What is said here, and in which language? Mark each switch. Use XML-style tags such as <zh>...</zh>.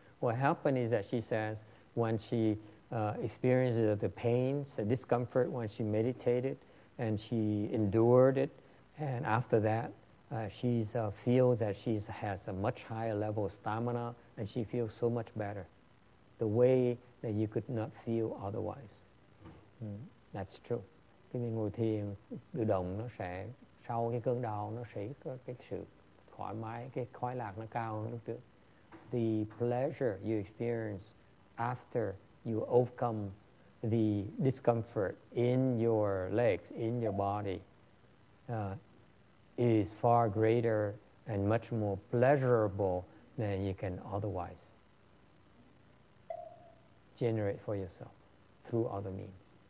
<en>What happened is that she says, when she experiences the pains, the discomfort, when she meditated and she endured it, and after that, she feels that she has a much higher level of stamina, and she feels so much better, the way that you could not feel otherwise. That's true.</en> <vi>Khi mình ngồi thiền, tự động nó sẽ sau cái cơn đau nó sẽ có cái sự thoải mái, cái khoái lạc nó cao hơn trước.</vi> <en>The pleasure you experience after you overcome the discomfort in your legs, in your body, is far greater and much more pleasurable than you can otherwise generate for yourself through other means.</en>